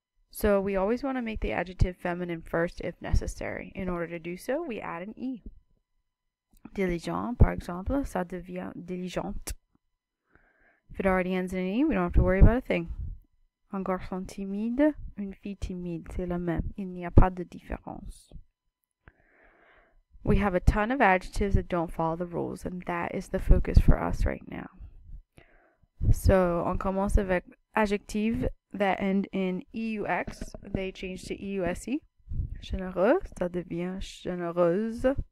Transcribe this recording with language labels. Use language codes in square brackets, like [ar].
[en] So we always want to make the adjective feminine first if necessary. In order to do so, we add an E. [fr] Diligent, par exemple, ça devient diligente. [en] If it already ends in an E, we don't have to worry about a thing. [fr] Un garçon timide, une fille timide, c'est la même. Il n'y a pas de différence. [en] We have a ton of adjectives that don't follow the rules, and that is the focus for us right now. So, [fr] on commence avec [en] adjectives that end in EUX. They change to EUSE. [fr] Généreuse, ça devient généreuse.